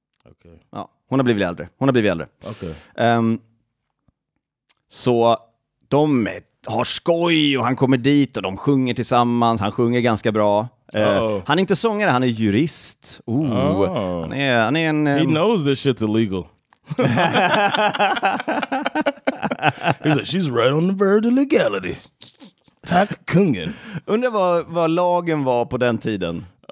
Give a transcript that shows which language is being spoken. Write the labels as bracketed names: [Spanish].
[Swedish] Okej. Okay. Ja, hon har blivit äldre. Hon har blivit äldre. Okej. [English] Okay. [Swedish] Så de har skoj och han kommer dit och de sjunger tillsammans. Han sjunger ganska bra. Han är inte sångare, han är jurist. Han är en [English] He knows this shit's illegal. He's like, she's right on the verge of legality. [Swedish] Tack kungen. Undrar vad lagen var på den tiden.